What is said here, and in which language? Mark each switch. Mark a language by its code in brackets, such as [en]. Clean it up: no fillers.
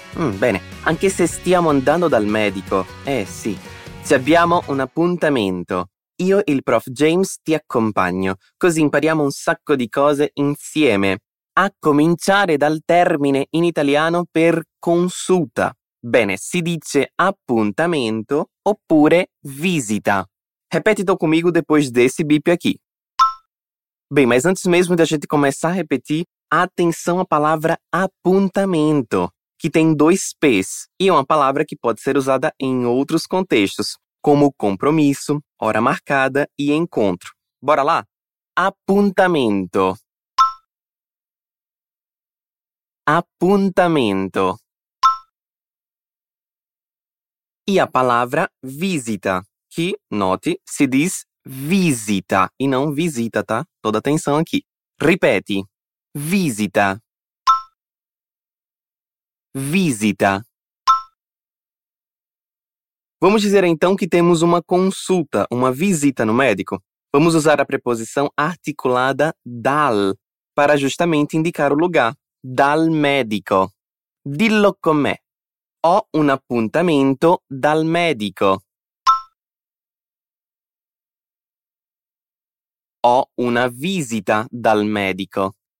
[it] Bene, anche se stiamo andando dal medico. Sì, ci abbiamo un appuntamento. Io e il prof. James ti accompagno, così impariamo un sacco di cose insieme. A cominciare dal termine in italiano per consulta. Bene, si dice appuntamento oppure visita. [pt] Repetito comigo depois desse bip aqui. Bem, mas antes mesmo da gente começar a repetir, atenção à palavra apuntamento, que tem dois P's, e é uma palavra que pode ser usada em outros contextos, como compromisso, hora marcada e encontro. Bora lá? [it] Apuntamento. Apuntamento. [pt] E a palavra visita, que, note, se diz visita e não visita, tá? Toda atenção aqui. Repete. Visita. [it] Visita. [pt] Vamos dizer então que temos uma consulta, uma visita no médico. Vamos usar a preposição articulada dal para justamente indicar o lugar. [it] Dal médico. Dillo con me. Ho un appuntamento dal medico. Ho una visita dal medico.